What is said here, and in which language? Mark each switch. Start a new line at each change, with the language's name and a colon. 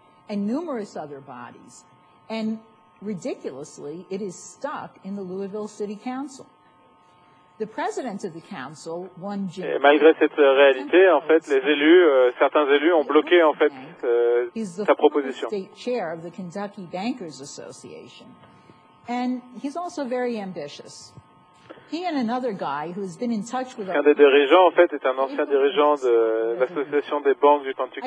English: And numerous other bodies, and ridiculously, it is stuck in the Louisville City Council. The president of the council, one Jim.
French: Et malgré cette réalité, en fait, les élus, certains élus ont bloqué en fait sa proposition.
English: State chair of the Kentucky Bankers Association, and he's also very ambitious. He and another guy who has been in touch with.
French: Un des dirigeants, en fait, est un ancien dirigeant de l'association des banques du Kentucky.